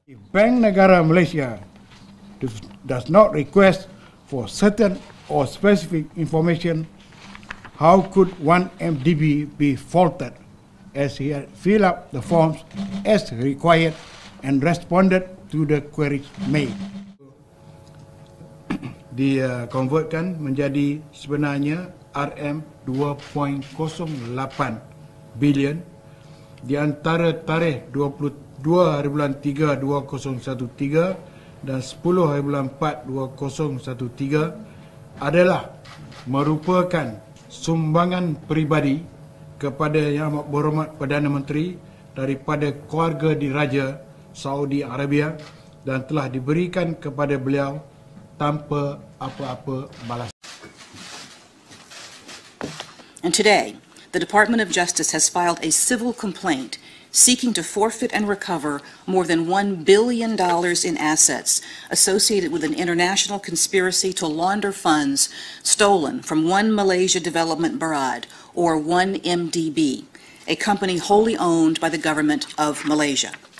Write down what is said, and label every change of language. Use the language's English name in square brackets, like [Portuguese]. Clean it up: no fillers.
[English] Bank Negara Malaysia does not request for certain or specific information. How could one MDB be faulted as he had filled up the forms as required and responded to the queries made? [Malay] Dikonvertkan menjadi sebenarnya RM2.08 bilion di antara tarikh 22/3/2013 dan 10/4/2013 adalah merupakan sumbangan peribadi kepada Yang Amat Berhormat Perdana Menteri daripada keluarga diraja Saudi Arabia dan telah diberikan kepada beliau tanpa apa-apa balasan. [English] And today, the Department of Justice has filed a civil complaint seeking to forfeit and recover more than $1 billion in assets associated with an international conspiracy to launder funds stolen from One Malaysia Development Berhad, or 1MDB, a company wholly owned by the government of Malaysia.